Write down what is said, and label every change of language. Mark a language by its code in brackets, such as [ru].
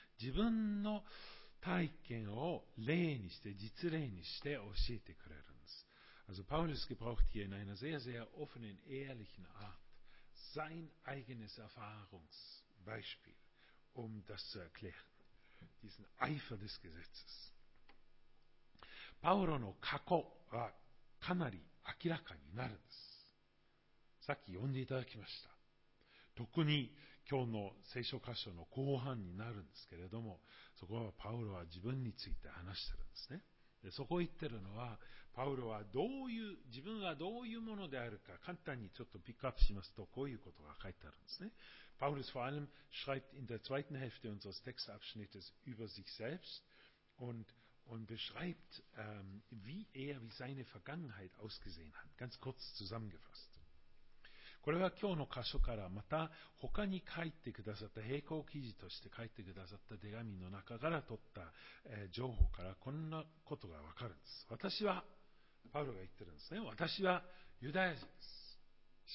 [ja] 自分の体験を例にして実例にして教えてくれるんです。 [de] Also Paulus gebraucht hier in einer sehr, sehr offenen, ehrlichen Art sein eigenes Erfahrungsbeispiel, um das zu erklären. Diesen Eifer des Gesetzes. [ja] Paulo の過去はかなり明らかになるんです。さっき読んでいただきました。特に今日の聖書箇所の後半になるんですけれども、そこはパウロは自分について話してるんですね。で、そこを言ってるのは、パウロはどういう、自分はどういうものであるか、簡単にちょっとピックアップしますと、こういうことが書いてあるんですね。 [de] Paulus vor allem schreibt in der zweiten Hälfte unseres Textabschnittes über sich selbst und beschreibt, wie seine Vergangenheit ausgesehen hat. Ganz kurz zusammengefasst. [ja] これは今日の箇所からまた他に書いてくださった並行記事として書いてくださった手紙の中から取った、情報からこんなことがわかるんです。私は、パウロが言ってるんですね。私はユダヤ人です。